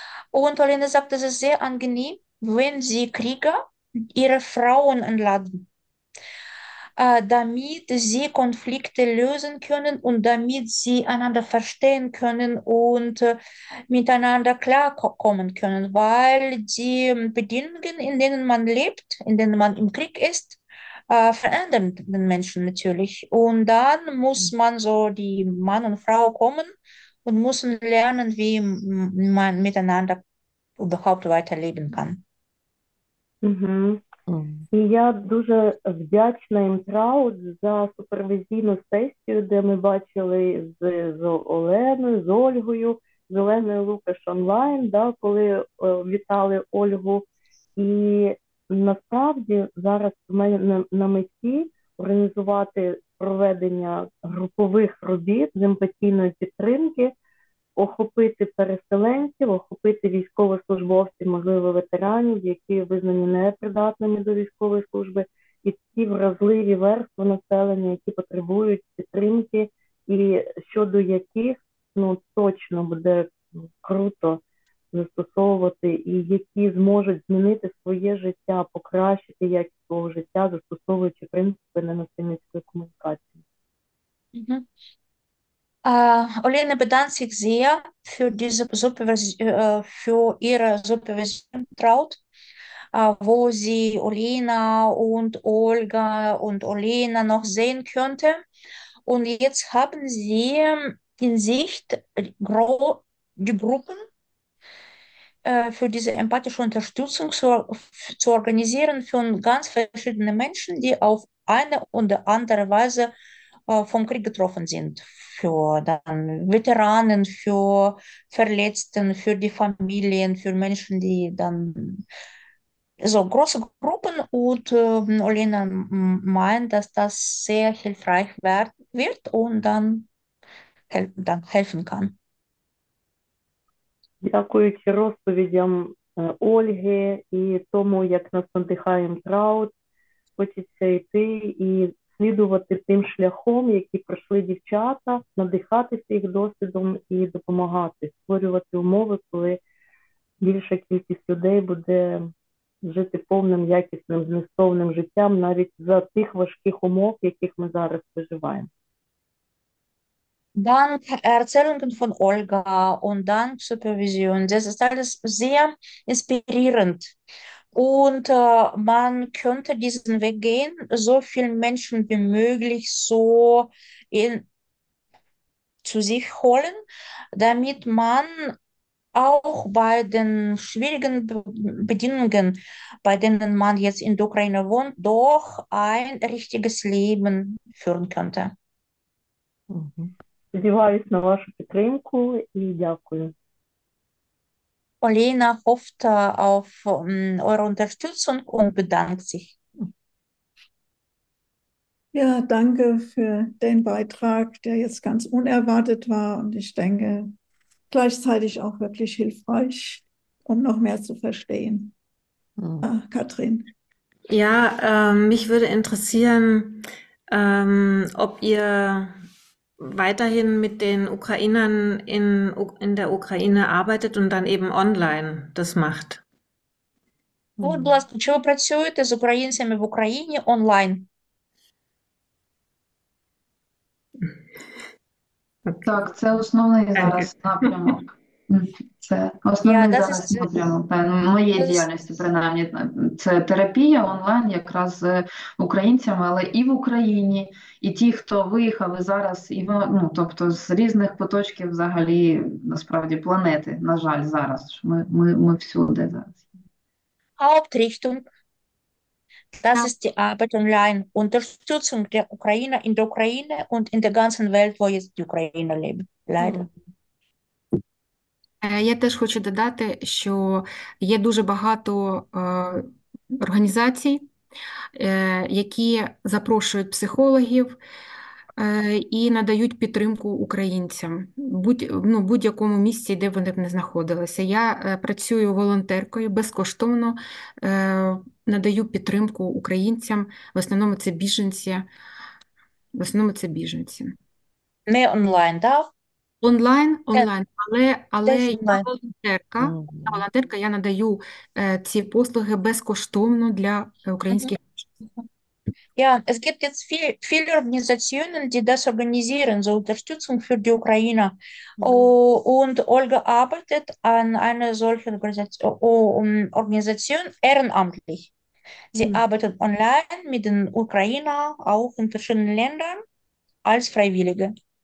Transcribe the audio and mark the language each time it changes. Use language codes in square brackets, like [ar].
[de] Und Olena sagt, es ist sehr angenehm, wenn sie Krieger ihre Frauen einladen, damit sie Konflikte lösen können und damit sie einander verstehen können und miteinander klarkommen können, weil die Bedingungen, in denen man lebt, in denen man im Krieg ist, verändern den Menschen natürlich. Und dann muss man so die Mann und Frau kommen und müssen lernen, wie man miteinander überhaupt weiterleben kann. [uk] І я дуже вдячна Імтраут за супервізійну сесію, де ми бачили з Оленою, з Ольгою, з Оленою Лукаш онлайн, да, коли вітали Ольгу. І насправді зараз в мене на меті організувати проведення групових робіт з емпатійної підтримки, охопити переселенців, охопити військовослужбовців, можливо, ветеранів, які визнані непридатними до військової служби, і ці вразливі верстви населення, які потребують підтримки, і щодо яких, ну, точно буде круто застосовувати, і які зможуть змінити своє життя, покращити якість свого життя, застосовуючи принципи ненасильницької комунікації. [de] Olene bedankt sich sehr für diese Supervision, für ihre Supervision, Traut, wo sie Olena und Olga und Olena noch sehen könnte. Und jetzt haben sie in Sicht die Gruppen für diese empathische Unterstützung zu organisieren von ganz verschiedenen Menschen, die auf eine oder andere Weise vom Krieg getroffen sind, für dann Veteranen, für Verletzten, für die Familien, für Menschen, die dann so große Gruppen. Und Olena meint, dass das sehr hilfreich wird und dann helfen kann. [uk] Дякуючи розповідям Ольги і тому, як нас надихає Траут, хочеться йти і слідувати тим шляхом, який пройшли дівчата, надихатися їх досвідом і допомагати, створювати умови, коли більша кількість людей буде жити повним, якісним, змістовним життям, навіть за тих важких умов, яких ми зараз переживаємо. [de] Dank Erzählungen von Olga und dank Supervision, das ist alles sehr inspirierend. Und man könnte diesen Weg gehen, so vielen Menschen wie möglich so zu sich holen, damit man auch bei den schwierigen Bedingungen, bei denen man jetzt in der Ukraine wohnt, doch ein richtiges Leben führen könnte. [uk] Сподіваюсь на вашу підтримку і дякую. [de] Olena hofft auf eure Unterstützung und bedankt sich. Ja, danke für den Beitrag, der jetzt ganz unerwartet war und ich denke gleichzeitig auch wirklich hilfreich, um noch mehr zu verstehen. Katrin. Ja, mich würde interessieren, ob ihr weiterhin mit den Ukrainern in der Ukraine arbeitet und dann eben online das macht. [uk] Будь ласка, чи ви працюєте з українцями в Україні онлайн? Так, це основний зараз напрямок. Це основний зараз напрямок моєї діяльності, принаймні, це терапія онлайн якраз з українцями, але і в Україні, і ті, хто виїхав і зараз, і ну, тобто з різних куточків взагалі, насправді, планети, на жаль, зараз. Ми всюди зараз. [de] Hauptrichtung, das ist die Arbeit online, Unterstützung der Ukrainer in der Ukraine und in der ganzen Welt, wo jetzt die Ukrainer leben, leider. [uk] Я теж хочу додати, що є дуже багато організацій, які запрошують психологів і надають підтримку українцям будь-якому місці, де вони б не знаходилися. Я працюю волонтеркою безкоштовно, надаю підтримку українцям. В основному це біженці. В основному це біженці. Не онлайн, так? Онлайн, але онлайн. волонтерка. Я волонтерка, я надаю ці послуги безкоштовно для українських. [de] Ja, es gibt jetzt viele Organisationen, die das organisieren, so Unterstützung für die Ukraine. Und Olga arbeitet an einer solchen Organisation ehrenamtlich. Sie arbeitet online mit den Ukrainern, auch in verschiedenen Ländern, als Freiwillige.